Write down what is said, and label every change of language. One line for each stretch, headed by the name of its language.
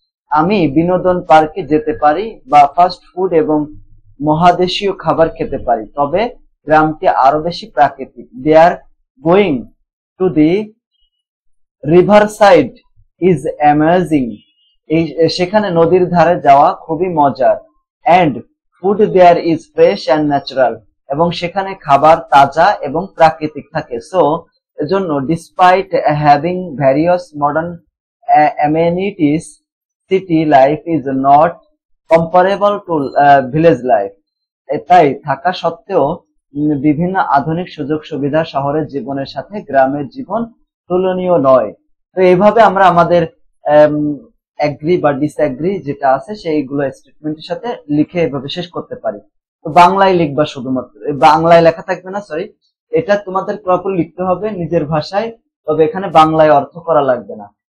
Bangla: আমি বিনোদন পার্কে যেতে পারি বা ফাস্ট ফুড এবং মহাদেশীয় খাবার খেতে পারি, তবে গ্রামটি আরো বেশি প্রাকৃতিক.
English: They are going to the riverside is amazing.
Bangla: সেখানে নদীর ধারে যাওয়া খুবই মজার.
English: And food there is fresh and natural.
Bangla: এবং সেখানে খাবার তাজা এবং প্রাকৃতিক থাকে.
English: So, এজন্য despite having various modern amenities, city life is not comparable to village life.
Bangla: তাই থাকা সত্ত্বেও বিভিন্ন আধুনিক সুযোগ সুবিধা শহরের জীবনের সাথে গ্রামের জীবন তুলনীয় নয়. তো এইভাবে আমরা আমাদের এগ্রি বা ডিসএগ্রি যেটা আছে সেইগুলো স্টেটমেন্টের সাথে লিখে এভাবে শেষ করতে পারি. তো বাংলায় লিখবা, শুধুমাত্র বাংলায় লেখা থাকবে না, সরি, এটা তোমাদের প্রপার লিখতে হবে নিজের ভাষায়, তবে এখানে বাংলায় অর্থ করা লাগবে না.